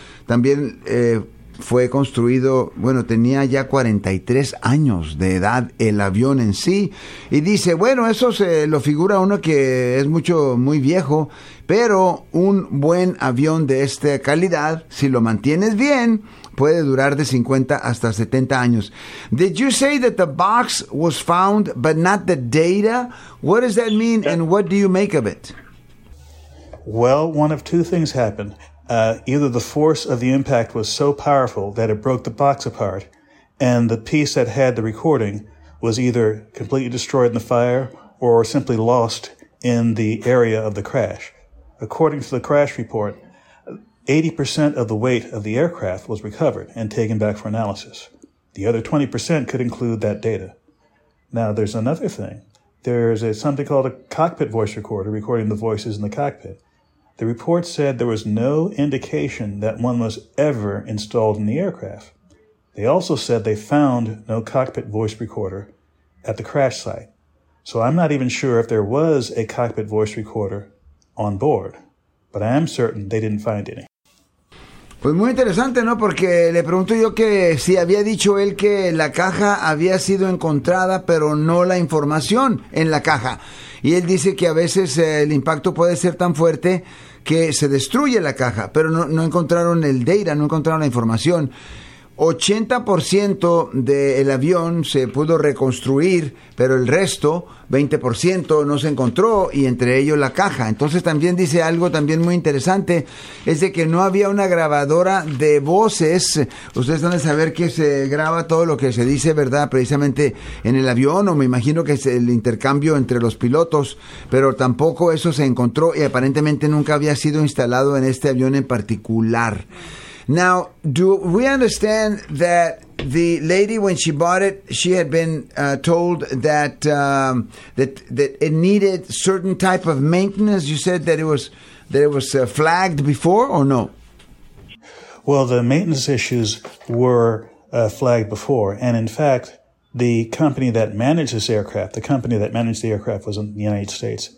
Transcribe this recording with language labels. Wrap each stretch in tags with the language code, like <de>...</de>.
<es>También fue construido, bueno, tenía ya 43 años de edad el avión en sí. Y dice, bueno, eso se lo figura uno que es mucho, muy viejo. Pero un buen avión de esta calidad, si lo mantienes bien, puede durar de 50 hasta 70 años.</es> <en>Did you say that the box was found, but not the data? What does that mean and what do you make of it? Well, one of two things happened. Either the force of the impact was so powerful that it broke the box apart, and the piece that had the recording was either completely destroyed in the fire or simply lost in the area of the crash. According to the crash report, 80% of the weight of the aircraft was recovered and taken back for analysis. The other 20% could include that data. Now, there's another thing. There's something called a cockpit voice recorder recording the voices in the cockpit. The report said there was no indication that one was ever installed in the aircraft. They also said they found no cockpit voice recorder at the crash site. So I'm not even sure if there was a cockpit voice recorder on board, but I am certain they didn't find any.</en> <es>Pues muy interesante, ¿no? Porque le pregunto yo que si había dicho él que la caja había sido encontrada, pero no la información en la caja. Y él dice que a veces el impacto puede ser tan fuerte que se destruye la caja, pero no encontraron el data, no encontraron la información. 80% del avión se pudo reconstruir, pero el resto, 20%, no se encontró, y entre ellos la caja. Entonces también dice algo también muy interesante, es de que no había una grabadora de voces. Ustedes van a saber que se graba todo lo que se dice, ¿verdad?, precisamente en el avión, o me imagino que es el intercambio entre los pilotos, pero tampoco eso se encontró, y aparentemente nunca había sido instalado en este avión en particular.</es> <en>Now, do we understand that the lady, when she bought it, she had been told that that it needed certain type of maintenance? You said that it was flagged before, or no? Well, the maintenance issues were flagged before, and in fact, the company that managed this aircraft, was in the United States.</en>